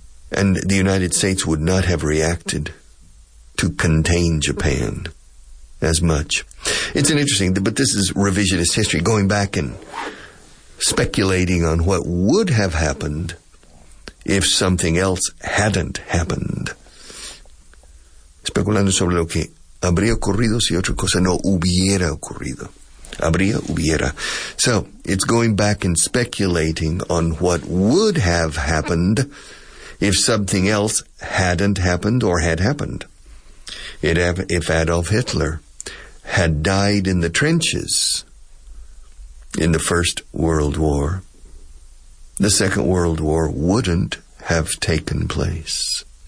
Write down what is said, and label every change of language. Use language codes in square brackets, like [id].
[en] And the United States would not have reacted to contain Japan as much. It's an interesting, but this is revisionist history, going back and speculating on what would have happened if something else hadn't happened. [es] Especulando sobre lo que habría ocurrido si otra cosa no hubiera ocurrido. Habría, hubiera. [en] So, it's going back and speculating on what would have happened if something else hadn't happened or had happened. If Adolf Hitler had died in the trenches in the First World War, the Second World War wouldn't have taken place.